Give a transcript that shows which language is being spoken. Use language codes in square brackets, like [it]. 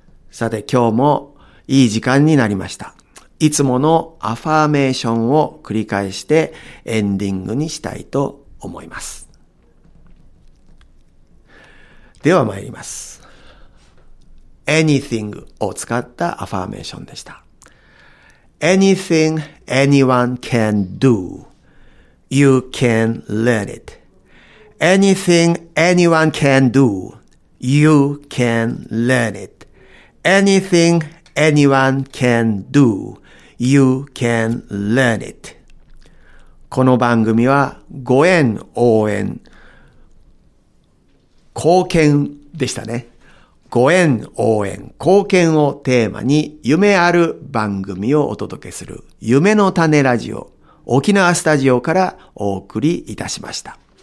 [ja] さて今日もいい時間になりました。いつものアファーメーションを繰り返してエンディングにしたいと思います。では参ります。Anything を使ったアファーメーションでした。 [en] Anything anyone can do, you can learn it. Anything anyone can do, you can learn it. Anything anyone can do, you can learn it. [ja] この番組はご縁応援貢献でしたね。ご縁応援貢献をテーマに夢ある番組をお届けする夢の種ラジオ、沖縄スタジオからお送りいたしました。